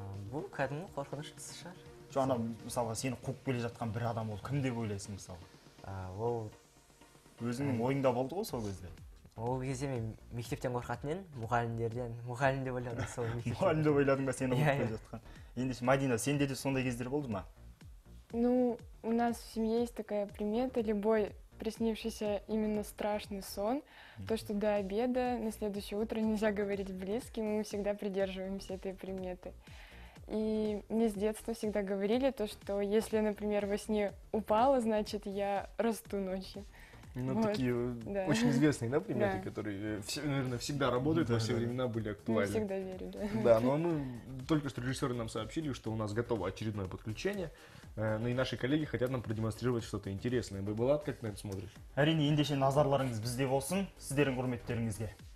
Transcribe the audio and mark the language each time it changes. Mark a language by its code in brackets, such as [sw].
[kk] Бұл кәдімгі қорқыныш түсі шығар. Жоқ, ана мысалға сені қуып келе жатқан бір адам, ол кім деп ойлайсың мысалы? Ол өзіңнің ойыңда болды ғой сол кезде. Ол кезде мен мектептен қорқатын едім, мұғалімдерден. Мұғалім деп ойладым сол мектепте. Мұғалім деп ойладың ба сені қуып келе жатқан? Ендеше Мадина, сенде де сондай кездер болды ма? [ru] Ну, у нас в семье есть такая примета, любой приснившийся именно страшный сон, то, что до обеда на следующее утро нельзя говорить близким, мы всегда придерживаемся этой приметы. И мне с детства всегда говорили то, что если, например, во сне упала, значит, я расту ночью. Ну, вот, такие да. Очень известные, да, приметы, да. Которые, все, наверное, всегда работают, да, во все времена были актуальны. Мы всегда верили. Да, но мы только что режиссеры нам сообщили, что у нас готово очередное подключение. Ну и наши коллеги хотят нам продемонстрировать что-то интересное. Байбалат, как ты на это смотришь? [kk] Арине, ендеше назарларыңыз бізде болсын, сіздерің құрметтеріңізге.